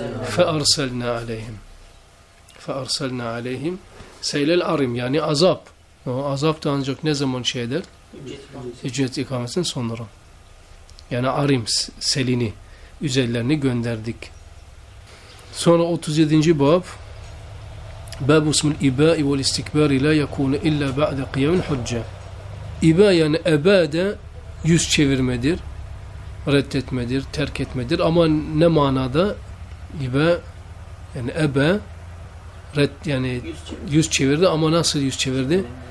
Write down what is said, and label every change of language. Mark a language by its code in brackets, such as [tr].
[ar] Fe arselna aleyhim. Fe arselna aleyhim. Seylel arim [tr] yani azap. O azap da ancak ne zaman şey eder? Hicret ikamesinin sonları. Yani arim selini, üzerlerini gönderdik. Sonra 37. bab. [ar] باب اسم الإباء والاستكبار لا يكون إلا بعد قيام الحجة. [tr] إباء yani أبادة yüz çevirmedir, reddetmedir, terk etmedir. Ama ne manada إباء yani أبا red yani yüz çevirdi ama nasıl yüz çevirdi?